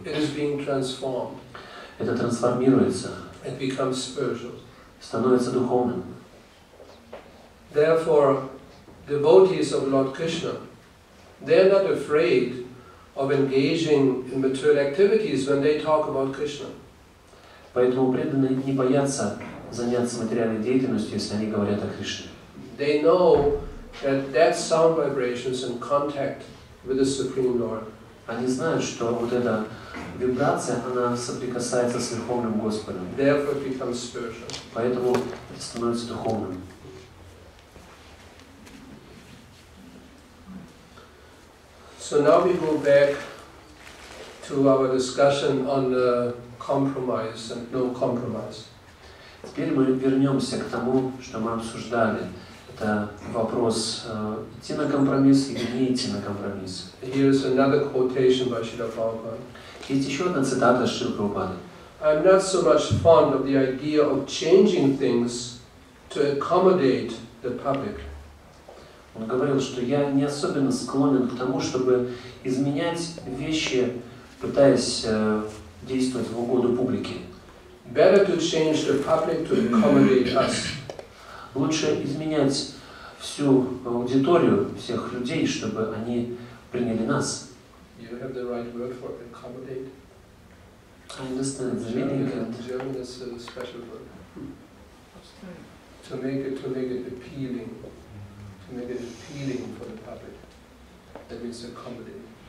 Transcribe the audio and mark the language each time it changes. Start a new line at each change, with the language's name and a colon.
English: it is being transformed.
Russian: Это трансформируется.
English: It becomes spiritual.
Russian: Становится духовным.
English: Therefore, devotees of Lord Krishna, they are not afraid of engaging in material activities when they talk about Krishna.
Russian: Поэтому преданные не боятся заняться материальной деятельностью, если они говорят о Кришне.
English: They know that that sound vibration is in contact with the Supreme Lord.
Russian: Они знают, что вот эта вибрация, она соприкасается с Верховным Господом.
English: Therefore, it becomes spiritual.
Russian: Поэтому это становится духовным.
English: So now we go back to our discussion on the compromise and no compromise.
Russian: Теперь мы вернемся к тому, что мы обсуждали. Это вопрос, идти на компромисс или не идти на компромисс.
English: Here is another quotation by Śrīla Prabhupāda.
Russian: Есть еще одна цитата Śrīla Prabhupāda.
English: I'm not so much fond of the idea of changing things to accommodate the public.
Russian: Он говорил, что я не особенно склонен к тому, чтобы изменять вещи, пытаясь действовать в угоду публике.
English: Better to change the public to accommodate us.
Russian: Лучше изменять всю аудиторию, всех людей, чтобы они приняли нас.
English: You have the right word for accommodate. I understand the German, meaning. And German is a special word. To make it appealing. Make it appealing for the public. That means accommodate.